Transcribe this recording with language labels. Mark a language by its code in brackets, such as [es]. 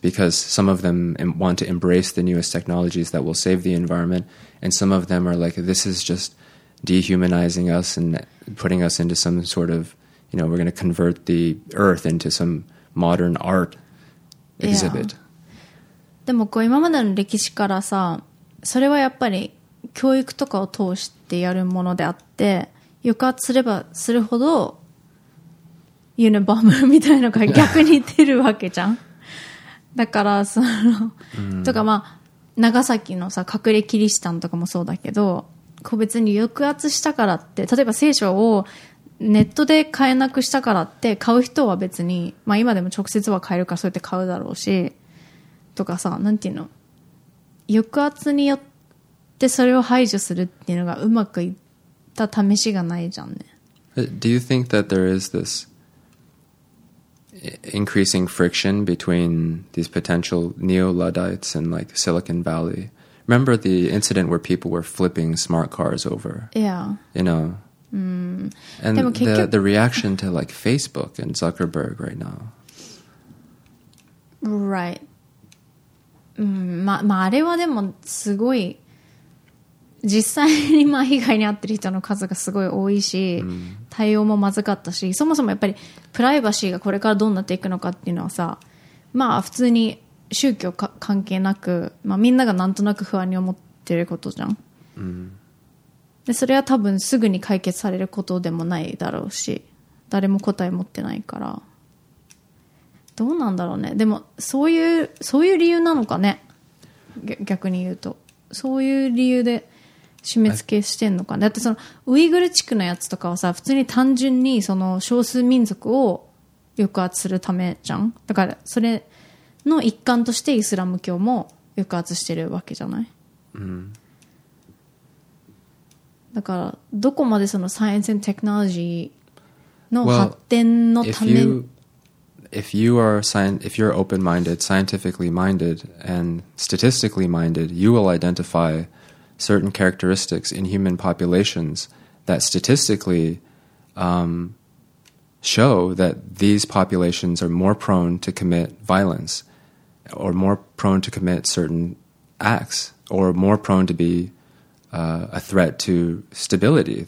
[en] because some of them want to embrace the newest technologies that will save the environment, and some of them are like, this is just dehumanizing us and putting us into some sort of, you know, we're going to convert the earth into some modern art exhibit. [ja] でもこう今までの歴史からさ、それはやっぱり教育とかを通してやるものであって、抑圧すればするほどユニバームみたいなのが逆に出るわけじゃん。だからその、うん、とかまあ長崎のさ隠れキリシタンとかもそうだけど、個別に抑圧したからって、例えば聖書をネットで買えなくしたからって買う人は別に、まあ今でも直接は買えるからそうやって買うだろうし、とかさ、なんていうの、抑圧によってそれを排除するっていうのがうまくいった試しがないじゃんね。 [en] Do you think that there is this increasing friction between these potential neo-Luddites and like Silicon Valley? Remember the incident where people were flipping smart cars over? Yeah. You know? Mm. And the reaction to like Facebook and Zuckerberg right now. Right. [ja] まあ、あれはでもすごい実際にまあ被害に遭ってる人の数がすごい多いし、対応もまずかったし、そもそもやっぱりプライバシーがこれからどうなっていくのかっていうのはさ、まあ普通に宗教か関係なく、まあ、みんながなんとなく不安に思ってることじゃん、でそれは多分すぐに解決されることでもないだろうし、誰も答え持ってないから、どうなんだろうね。でもそういう理由なのかね、逆に言うとそういう理由で締め付けしてんのかね。だってそのウイグル地区のやつとかはさ、普通に単純にその少数民族を抑圧するためじゃん。だからそれの一環としてイスラム教も抑圧してるわけじゃない、だからどこまでそのサイエンス and テクノロジーの発展のために、 [en] If you're open-minded, scientifically minded, and statistically minded, you will identify certain characteristics in human populations that statistically show that these populations are more prone to commit violence, or more prone to commit certain acts, or more prone to be a threat to stability.